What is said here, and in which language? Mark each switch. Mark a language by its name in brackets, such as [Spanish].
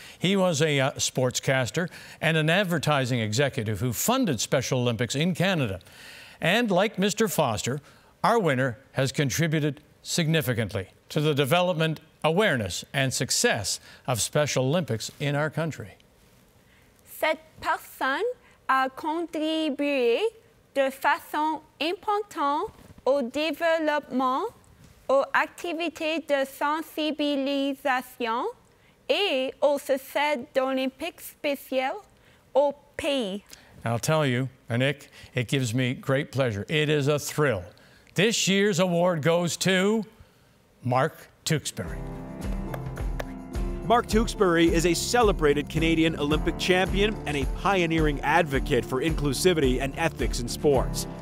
[English] He was a sportscaster and an advertising executive who funded Special Olympics in Canada. And like Mr. Foster, our winner has contributed significantly to the development, awareness, and success of Special Olympics in our country. [French] Cette personne a contribué de façon importante au développement, aux activités de sensibilisation et au succès d'Olympiques spéciaux au pays. [English] I'll tell you, Anik, it gives me great pleasure. It is a thrill. This year's award goes to Mark Tewksbury. Mark Tewksbury is a celebrated Canadian Olympic champion and a pioneering advocate for inclusivity and ethics in sports.